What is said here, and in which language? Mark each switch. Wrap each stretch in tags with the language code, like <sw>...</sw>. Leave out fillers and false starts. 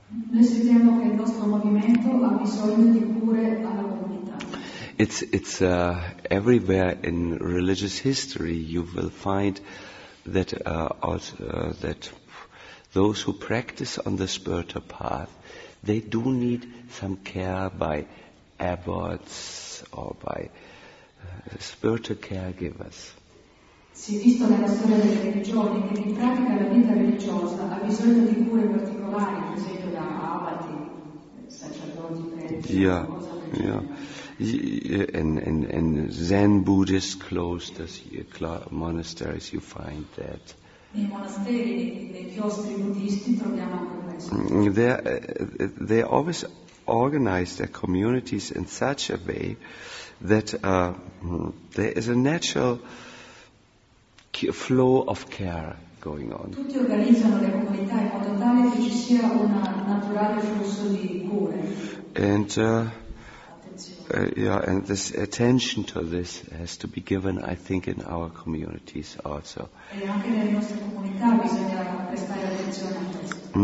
<it>Noi sentiamo che il nostro movimento ha bisogno di cure alla comunità.</it> <en>It's everywhere in religious history you will find that that those who practice on the spiritual path they do need some care by abbots or by spiritual caregivers.</en> <it>Si è visto nella storia delle religioni che in pratica la vita religiosa ha bisogno di cure particolari, per esempio da abati, sacerdoti,</it> <en>prezzi, yeah, in Zen Buddhist clusters, monasteries, you find that.</en> <it>Nei monasteri, nei chiostri buddhisti troviamo anche questo.</it> <en>They always organize their communities in such a way that there is a natural flow of care going on.</en> <it>Tutti organizzano le comunità in modo tale che ci sia un naturale flusso di cure.</it> <en>And this attention to this has to be given, I think, in our communities also.</en> <it>E anche nelle nostre comunità bisogna prestare attenzione a questo.</it>